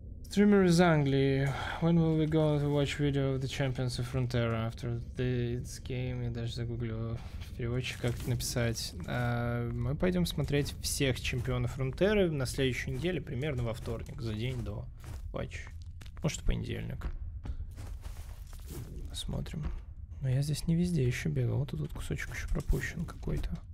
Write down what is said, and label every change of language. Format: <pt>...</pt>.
<ru>Streamer из Англии.</ru> <en>When will we go to watch video of the champions of Frontera after this game?</en> <ru>Я даже загуглил переводчик, как это написать. Мы пойдем смотреть всех чемпионов Фронтеры на следующей неделе, примерно во вторник, за день до матча. Может, в понедельник. Посмотрим. Но я здесь не везде еще бегал. Вот этот кусочек еще пропущен какой-то.</ru>